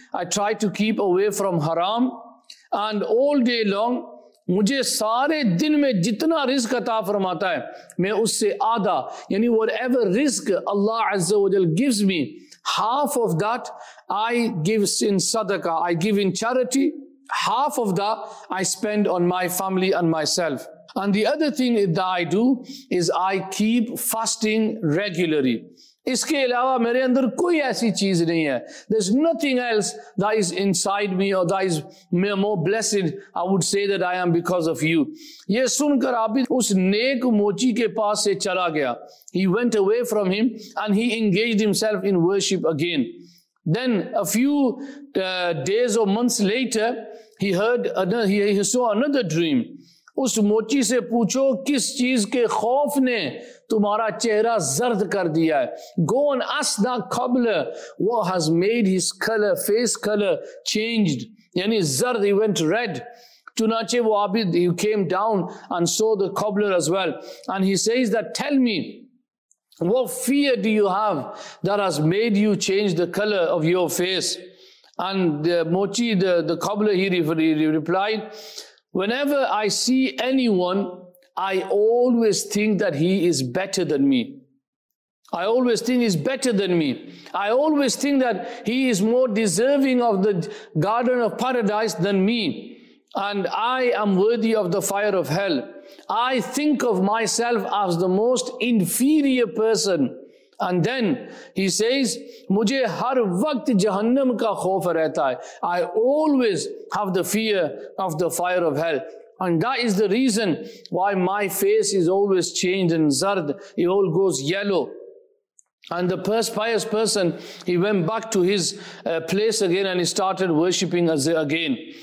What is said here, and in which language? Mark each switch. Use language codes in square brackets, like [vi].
[en] I try to keep away from haram. And all day long, [ur] مجھے سارے دن میں جتنا رزق عطا فرماتا ہے, میں اس سے آدھا, [en] یعنی whatever رزق Allah عز و جل gives me, half of that I give in sadaqah, I give in charity, half of that I spend on my family and myself. And the other thing that I do is I keep fasting regularly. [ur] اس کے علاوہ میرے اندر کوئی ایسی چیز نہیں ہے. [en] There's nothing else that is inside me or that is more blessed, I would say that I am because of you. [ur] یہ سن کر عابد اس نیک موچی کے پاس سے چلا گیا. [en] He went away from him and he engaged himself in worship again. Then a few days or months later, he saw another dream. [ur] اس موچی سے پوچھو کس چیز کے خوف نے تمہارا چہرہ زرد کر دیا ہے. [en] Go and ask that cobbler what has made his color, face color changed. [ur] یعنی زرد, [en] he went red. [ur] چنانچہ وہ عابد, [en] he came down and saw the cobbler as well. And he says that, tell me, what fear do you have that has made you change the color of your face? And the mochi, the cobbler, he replied, whenever I see anyone, I always think that he is better than me. I always think he's better than me. I always think that he is more deserving of the garden of paradise than me. And I am worthy of the fire of hell. I think of myself as the most inferior person. And then he says, [ur] مجھے ہر وقت جہنم کا خوف رہتا ہے. [en] I always have the fear of the fire of hell. And that is the reason why my face is always changed and zard. It all goes yellow. And the pious person, he went back to his place again and he started worshipping again.